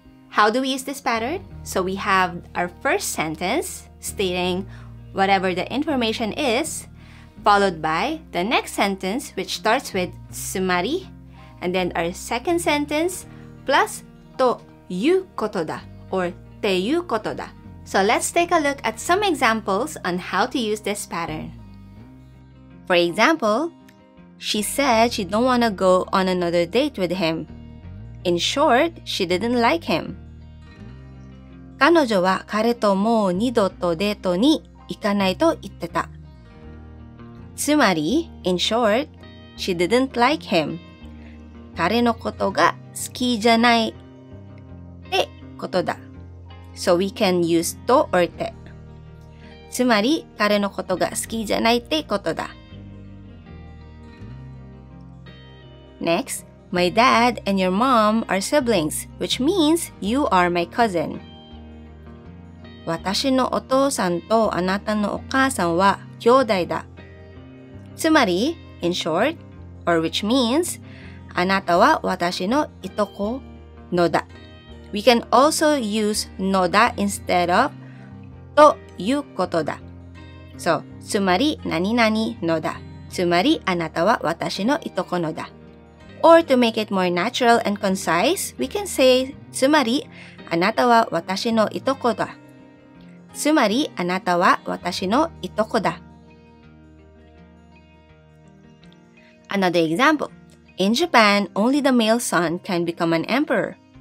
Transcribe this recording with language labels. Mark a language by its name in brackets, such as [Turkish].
[English] How do we use this pattern? So we have our first sentence stating whatever the information is, followed by the next sentence which starts with つまり, and then our second sentence plus [Japanese] とということだ [English] or [Japanese] っていうことだ [English] So let's take a look at some examples on how to use this pattern. For example, she said she don't want to go on another date with him. In short, she didn't like him. [Japanese] 彼女は彼ともう二度とデートに行かないと言ってた。 [English] つまり、in short, she didn't like him. [Japanese] 彼のことが好きじゃない。ことだ。 [English] So we can use とor て。 [Japanese] つまり、彼のことが好きじゃないってことだ。 [English] Next, my dad and your mom are siblings, which means you are my cousin. [Japanese] 私のお父さんとあなたのお母さんは兄弟だ。 [English] つまり、in short, or which means, [Japanese] あなたは私のいとこのだ。 [English] We can also use のだ instead of [Japanese] ということだ。そう、つまり何々のだ。つまりあなたは私のいとこのだ。 [English] Or to make it more natural and concise, we can say [Japanese] つまりあなたは私のいとこだ。つまりあなたは私のいとこだ。 [English] Another example. In Japan, only the male son can become an emperor.